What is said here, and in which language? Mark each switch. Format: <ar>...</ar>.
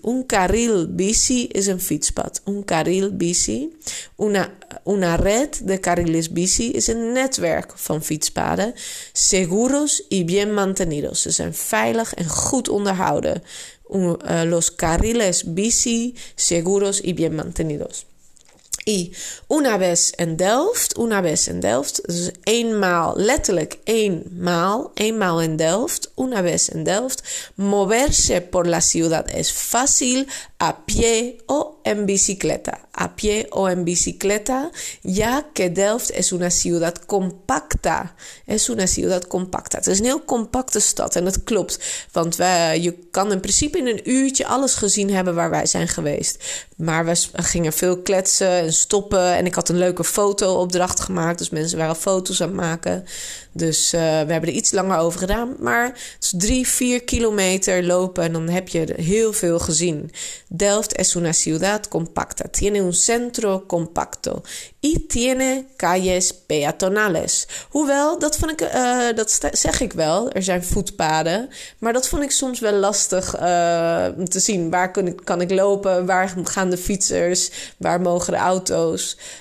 <es>Un carril bici</es> <nl>is een fietspad.</nl> <es>Un carril bici. Una red de carriles bici</es> <nl>is een netwerk van fietspaden.</nl> <es>Seguros y bien mantenidos.</es> <nl>Ze zijn veilig en goed onderhouden.</nl> <es>Los carriles bici seguros y bien mantenidos. I Unabes en Delft. Unabes en Delft.</es> <nl>Dus eenmaal, letterlijk eenmaal. Eenmaal in Delft.</nl> <es>Unabes en Delft. Moverse por la ciudad es fácil. A pie o en bicicleta. A pie o en bicicleta. Ya que Delft es una ciudad compacta. Es una ciudad compacta.</es> <nl>Het is een heel compacte stad. En dat klopt. Want je kan in principe in een uurtje alles gezien hebben waar wij zijn geweest. Maar we gingen veel kletsen en stoppen. En ik had een leuke fotoopdracht gemaakt. Dus mensen waren foto's aan het maken. Dus we hebben er iets langer over gedaan. Maar het is 3-4 kilometer lopen. En dan heb je heel veel gezien.</nl> <es>Delft es una ciudad compacta. Tiene un centro compacto. Y tiene calles peatonales.</es> <nl>Hoewel, dat vond ik, dat zeg ik wel. Er zijn voetpaden. Maar dat vond ik soms wel lastig te zien. Waar kan ik lopen? Waar gaan de fietsers? Waar mogen de auto's?</nl>